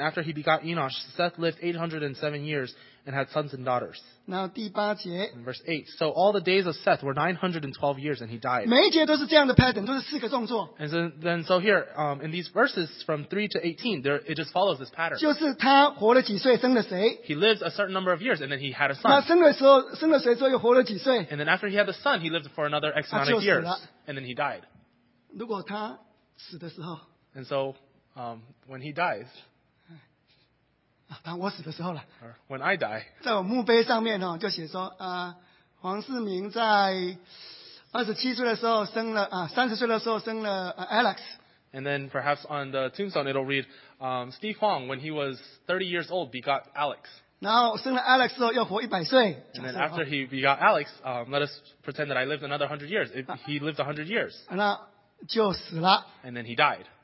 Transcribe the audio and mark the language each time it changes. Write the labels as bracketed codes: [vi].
[en] After he begot Enosh, Seth lived 807 years and had sons and daughters. [zh] 然后第八节。 [en] And verse 8. So all the days of Seth were 912 years and he died. [zh] 每一节都是这样的 pattern， 都是四个动作。 [en] And so, then so here, in these verses from 3 to 18, there, it just follows this pattern. [zh] 就是他活了几岁，生了谁。 [en] He lived a certain number of years and then he had a son. 那生了谁之后又活了几岁。 And then after he had the son, he lived for another X amount of years. And then he died. [zh] 如果他死的时候。 [en] And so,when he dies, [zh] 当我死的时候了。 [en] Or when I die, [zh] 在我墓碑上面就写说，黄世明在30岁的时候生了Alex. [en] And then perhaps on the tombstone it'll read, Steve Huang, when he was 30 years old, begot Alex. [zh] 然后生了 Alex 之后又活100岁。 [en] And then after he begot Alex, let us pretend that I lived another 100 years. He lived 100 years. [zh] 那就死了。 [en] And then he died.